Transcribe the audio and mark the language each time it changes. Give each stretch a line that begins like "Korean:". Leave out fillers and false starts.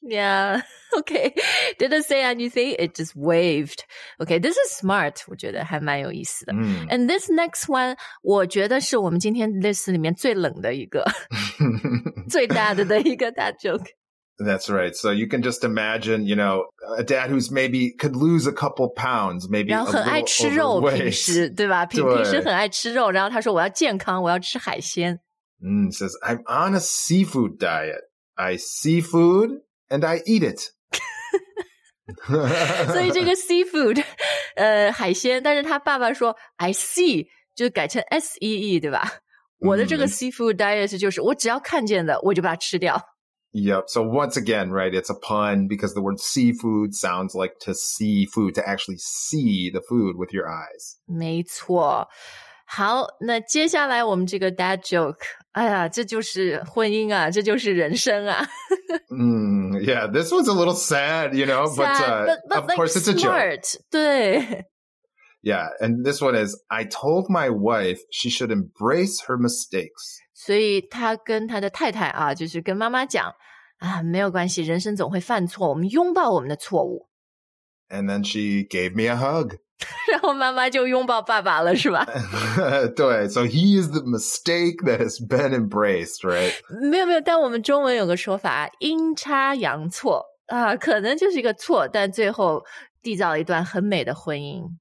English: yeah okay didn't say anything it just waved okay this is smart
Chinese: 我觉得还蛮有意思的、
English: and this next one
Chinese: 我觉得是我们今天 list 里面最冷的一个最大的的一个 dad joke
English: That's right. So you can just imagine, you know, a dad who's maybe could lose a couple pounds, maybe a little overweight.
Chinese: 然后很爱吃肉平时对吧平时很爱吃肉然后他说我要健康我要吃海鲜。
English: Says, I'm on a seafood diet. I see food and I eat it.
Chinese: 所以这个 seafood, 海鲜但是他爸爸说
English: I see,
Chinese: 就改成 S-E-E, 对吧我的这个 seafood diet 就是我只要看见的我就把它吃掉。
English: Yep. So once again, right, it's a pun because the word seafood sounds like to see food, to actually see the food with your eyes.
Chinese: 没错。好，那接下来我们这个 dad joke, 哎呀，这就是婚姻啊，这就是人生啊。
English: yeah, this one's a little sad, you know, but of course it's a joke.
Chinese: 对。
English: Yeah, and this one is, I told my wife she should embrace her mistakes.
Chinese: 所以他跟他的太太啊，就是跟妈妈讲啊，没有关系，人生总会犯错，我们拥抱我们的错误。
English: And then she gave me a hug.
Chinese: 然后妈妈就拥抱爸爸了，是吧？对
English: ，so he is the mistake that has been embraced, right?
Chinese: 没有没有，但我们中文有个说法，阴差阳错啊，可能就是一个错，但最后缔造了一段很美的婚姻。